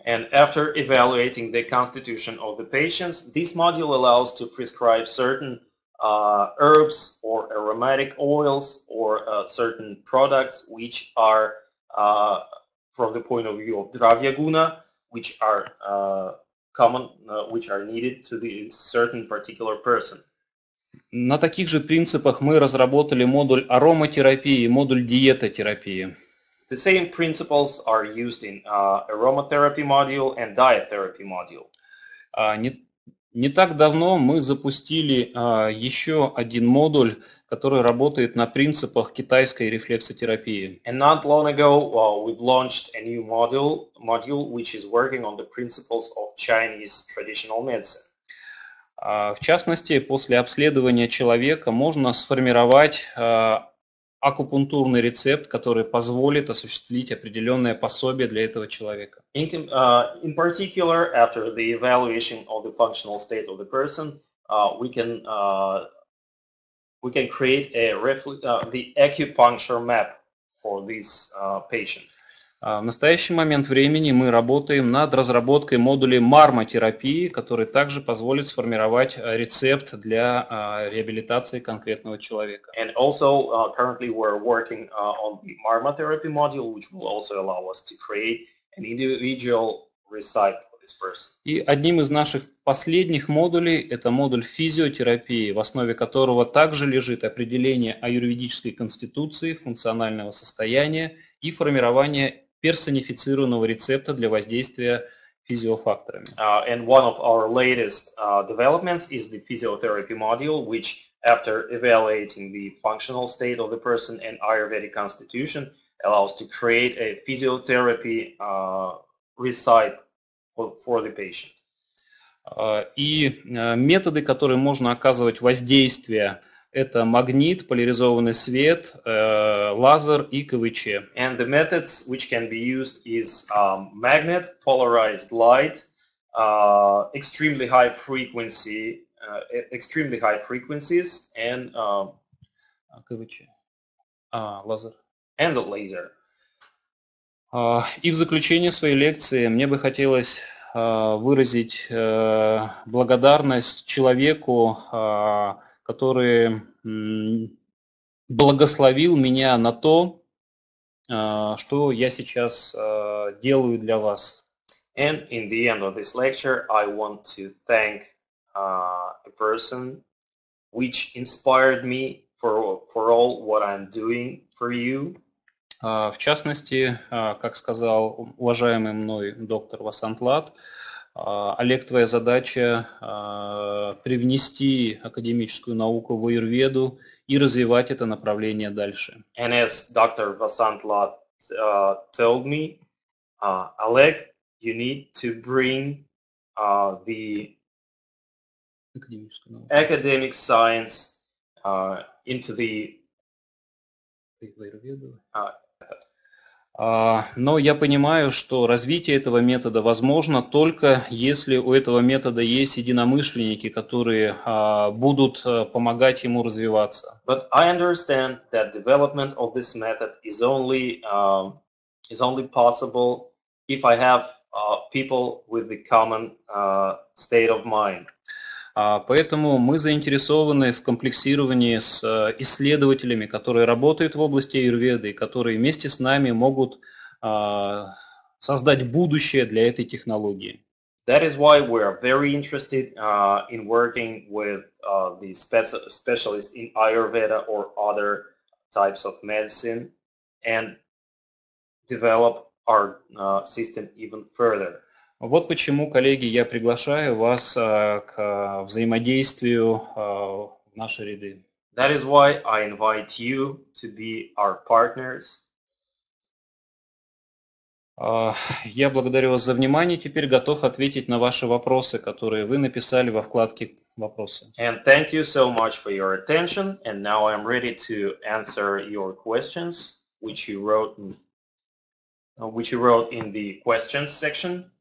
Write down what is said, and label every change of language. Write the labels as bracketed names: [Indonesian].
[English] And after evaluating the constitution of the patients, this module allows to prescribe certain herbs or aromatic oils or certain products which are from the point of view of dravya-guna, which are common, which are needed to the certain particular person. [Russian] На таких же принципах мы разработали модуль ароматерапии и модуль диетотерапии. [English] The same principles are used in aromatherapy module and diet therapy module. [Russian] Не так давно мы запустили еще один модуль, который работает на принципах китайской рефлексотерапии. [English] And not long ago, we've launched a new module which is working on the principles of Chinese traditional medicine. [Russian] В частности, после обследования человека можно сформировать акупунктурный рецепт, который позволит осуществить определенное пособие для этого человека. [English] In particular, after the evaluation of the functional state of the person, we can create the acupuncture map for this patient. [Russian] В настоящий момент времени мы работаем над разработкой модуля марматерапии, который также позволит сформировать рецепт для реабилитации конкретного человека. [English] And also currently we're working on the marmatherapy module, which will also allow us to create an individual recipe for this person. [Russian] И одним из наших последних модулей это модуль физиотерапии, в основе которого также лежит определение аюрведической конституции, функционального состояния и формирование персонифицированного рецепта для воздействия физиофакторами. [English] And one of our latest developments is the physiotherapy module, which after evaluating the functional state of the person and Ayurvedic constitution, allows to create a physiotherapy recipe for the patient. [Russian] И методы, которые можно оказывать воздействие, это магнит, поляризованный свет, лазер и КВЧ. [English] And the methods which can be used is magnet, polarized light, extremely high frequencies, and [Russian] КВЧ, лазер. [English] And the laser. [Russian] И в заключение своей лекции мне бы хотелось выразить благодарность человеку, который благословил меня на то, что я сейчас делаю для вас. [English] And in the end of this lecture, I want to thank a person which inspired me for all what I'm doing for you. [Russian] В частности, как сказал уважаемый мной доктор Васантлат, Олег, твоя задача привнести академическую науку в аюрведу и развивать это направление дальше. [English] And as Dr. Vasant Lad told me, Олег, you need to bring the academic science into the [Russian] аюрведу. Но я понимаю, что развитие этого метода возможно только если у этого метода есть единомышленники, которые будут помогать ему развиваться. [English] But I understand that development of this method is only possible if I have people with the common state of mind. [Russian] Поэтому мы заинтересованы в комплексировании с исследователями, которые работают в области аюрведы, которые вместе с нами могут создать будущее для этой технологии. [English] That is why we are very interested in working with the specialists in Ayurveda or other types of medicine and develop our system even further. [Russian] Вот почему, коллеги, я приглашаю вас к взаимодействию в наши ряды. [English] That is why I invite you to be our partners. [Russian] Я благодарю вас за внимание. Теперь готов ответить на ваши вопросы, которые вы написали во вкладке «Вопросы». [English] And thank you so much for your attention. And now I am ready to answer your questions, which you wrote in the questions section.